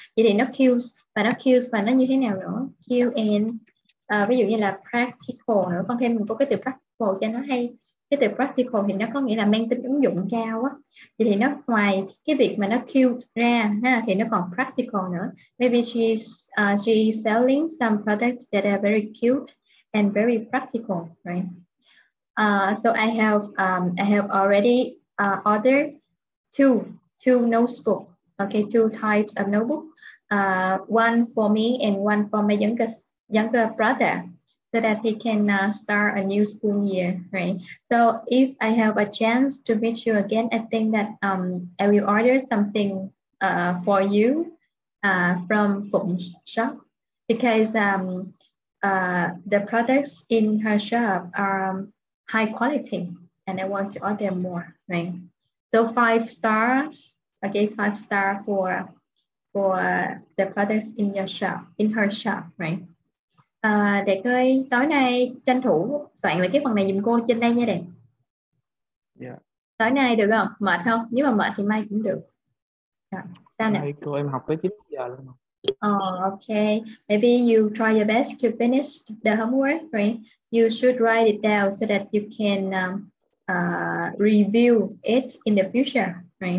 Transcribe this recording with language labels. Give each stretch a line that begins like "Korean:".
Vietnamese: Vậy thì nó cute và nó như thế nào nữa?
English: Cute and
Vietnamese: ví dụ như là practical nữa, con thêm mình có cái từ practical cho nó hay. Cái từ practical thì nó có nghĩa là mang tính ứng dụng cao á. Vậy thì nó ngoài cái việc mà nó cute ra ha, thì nó còn practical nữa.
English: Maybe she's selling some products that are very cute and very practical, right? So I have already ordered two notebooks. Okay, two types of notebook. One for me and one for my younger brother, so that he can start a new school year. Right. So if I have a chance to meet you again, I think that I will order something for you from Phụng shop, because the products in her shop are high quality, and I want to order more, right? So 5 stars, okay, 5 star for the products in your shop, in her shop, right?
Vietnamese: Đẹp ơi, tối nay tranh thủ soạn lại cái phần này giùm cô trên đây nha đẹp.
English: Yeah.
Vietnamese: Tối nay được không? Mệt không? Nếu mà mệt thì mai cũng được. Sao nè? Cô em học tới 9 giờ luôn.
English: Okay. Maybe you try your best to finish the homework, right? You should write it down so that you can review it in the future, right?